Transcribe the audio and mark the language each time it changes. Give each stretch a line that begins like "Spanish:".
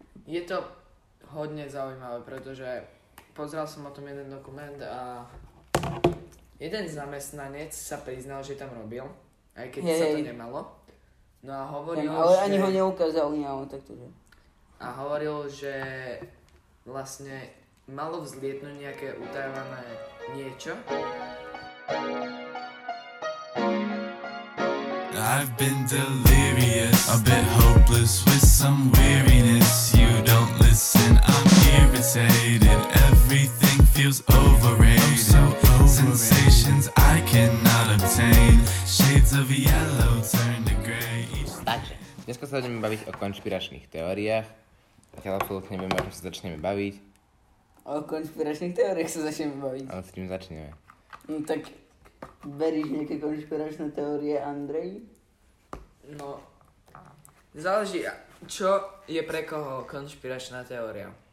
Slovak: Je to hodne zaujímavé, pretože pozrel som o tom jeden dokument a jeden zamestnanec sa priznal, že tam robil, aj keď sa to nemalo. No a hovoril, ale že... ani ho neukázal, ale takto, že... A hovoril, že vlastne malo vzlietnúť nejaké utajované niečo.
English: I've been delirious, a bit hopeless with some weariness. You don't listen, I'm irritated. Everything feels overrated. So overrated. Sensations I cannot obtain. Shades of yellow turn to gray.
Slovak: Takže, dneska sa budeme baviť o konšpiračných teóriách. Zatiaľ absolútne neviem, ako sa začneme baviť. O konšpiračných teóriách sa začneme baviť. Ale s tým začneme. No tak, veríš nejaké konšpiračné teórie, Andrej? No, záleží, čo je pre koho konšpiračná teória.